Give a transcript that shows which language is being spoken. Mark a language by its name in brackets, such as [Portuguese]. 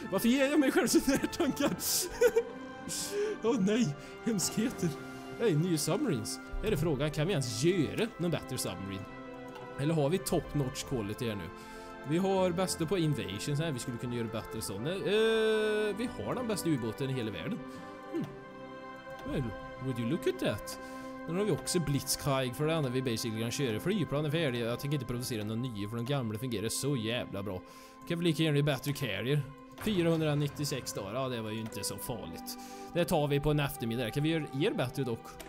[Swedish] Varför ger jag mig själv sådana här tankar? Åh nej, hemskheter. Hej, nya submarines. Är det frågan, kan vi ens göra någon bättre submarine? Eller har vi [English] top notch quality [Swedish] här nu? Vi har bästa på invasion, vi skulle kunna göra bättre sånne. Vi har den bästa ubåten i hela världen. [English] Well, would you look at that? [Swedish] Nu har vi också Blitzkrieg för det andra, vi basically kan köra flygplanen färdiga. Jag tänker inte producera några nya för de gamla fungerar så jävla bra. Kan vi lika gärna bli battery carrier? 496 dagar, ja det var ju inte så farligt. Det tar vi på en eftermiddag. Kan vi göra er bättre dock?